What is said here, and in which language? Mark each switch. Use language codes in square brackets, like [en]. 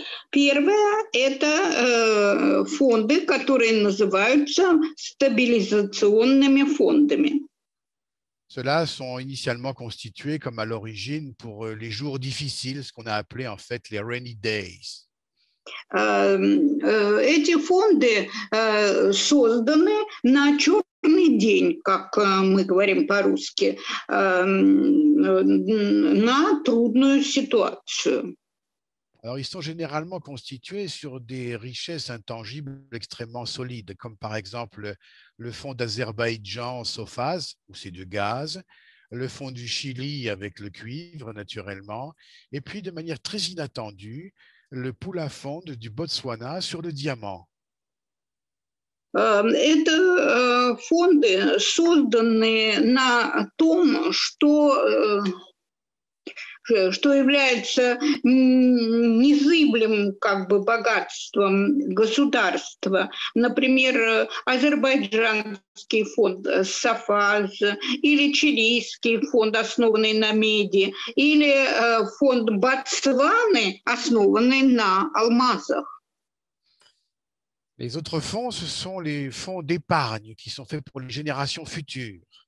[ru] Первое – это фонды, которые называются стабилизационными фондами. [fr] Ceux-là sont initialement constitués comme à l'origine pour les jours difficiles, ce qu'on a appelé en fait les [en] rainy days. [ru] Эти фонды созданы на черный день, как мы говорим по-русски, на трудную ситуацию. [fr] Alors, ils sont généralement constitués sur des richesses intangibles extrêmement solides, comme par exemple le fonds d'Azerbaïdjan Sofaz, où c'est du gaz, le fonds du Chili avec le cuivre, naturellement, et puis de manière très inattendue, le pool à fonds du Botswana sur le diamant. [ru] Это фонды, созданные на том, что является незыблемым как бы богатством государства. Например, азербайджанский фонд Сафаз или чилийский фонд, основанный на меди, или фонд Ботсваны, основанный на алмазах. [fr] Les autres fonds, ce sont les fonds d'épargne qui sont faits pour les générations futures.